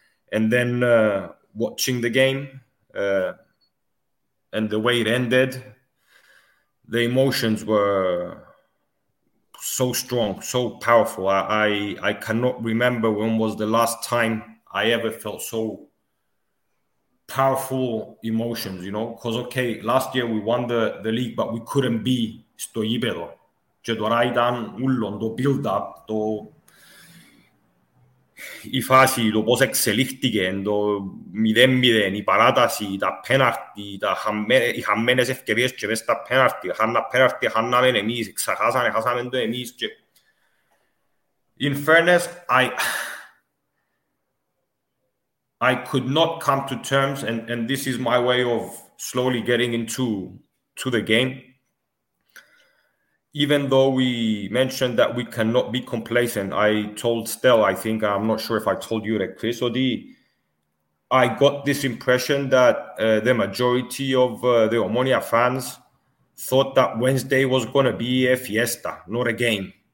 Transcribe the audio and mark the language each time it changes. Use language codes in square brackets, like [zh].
[en] And then watching the game and the way it ended, the emotions were so strong, so powerful. I cannot remember when was the last time I ever felt so powerful emotions, you know, because, okay, last year we won the league, but we couldn't be Stojibero. [el] Και τώρα ήταν ούλον το build-up, το η φάση, το πώς εξελίχθηκε, το 0-0, η παράταση, τα πέναρτι, οι χαμμένες ευκαιρίες και μέσα τα πέναρτι, χάνα πέναρτι, χάναμε εμείς, ξαχάσανε, χάσαμε το εμείς. [en] In fairness, I could not come to terms, and this is my way of slowly getting into the game. Even though we mentioned that we cannot be complacent, I told Stell, I think, I'm not sure if I told you, Chris, or I got this impression that the majority of the Omonia fans thought that Wednesday was going to be a fiesta, not a game.